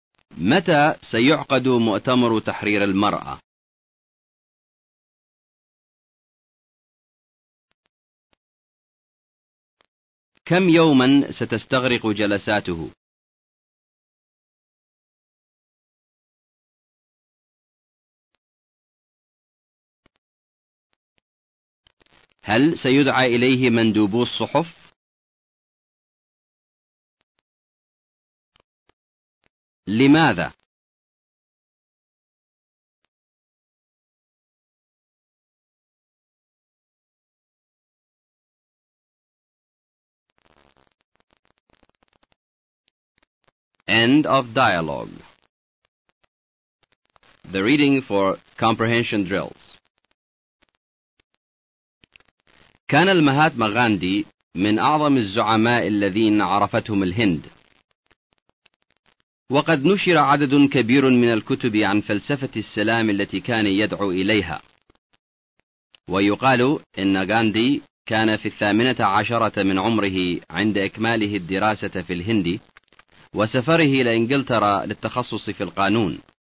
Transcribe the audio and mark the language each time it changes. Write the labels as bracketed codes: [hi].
[ar] متى سيعقد مؤتمر تحرير المرأة؟ كم يوما ستستغرق جلساته؟ هل سيدعى إليه مندوبو الصحف؟ لماذا؟ [en] End of dialogue. The reading for comprehension drills. [ar] كان المهاتما غاندي من أعظم الزعماء الذين عرفتهم الهند. وقد نشر عدد كبير من الكتب عن فلسفة السلام التي كان يدعو إليها. ويقال إن غاندي كان في 18 من عمره عند إكماله الدراسة في الهند وسفره إلى إنجلترا للتخصص في القانون.